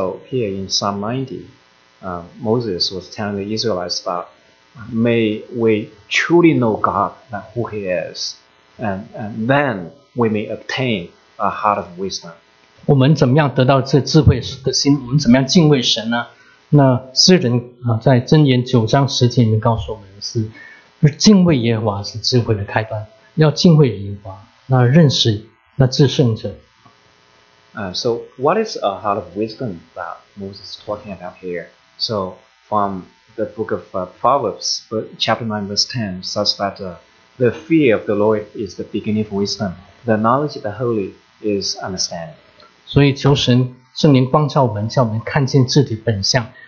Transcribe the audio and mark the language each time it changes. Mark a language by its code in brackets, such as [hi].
[en] here in Psalm 90, Moses was telling the Israelites that may we truly know God and who He is, and then we may obtain a heart of wisdom. [zh] 我们怎么样得到这智慧的心？我们怎么样敬畏神呢？那诗人在箴言9章10节里面告诉我们是敬畏耶和华是智慧的开端，要敬畏耶和华，那认识那至圣者。 [en] So what is a heart of wisdom that Moses is talking about here? So from the book of Proverbs, chapter 9, verse 10, says that the fear of the Lord is the beginning of wisdom. The knowledge of the holy is understanding. [zh] 所以求神圣灵光照我们，叫我们看见自己本相。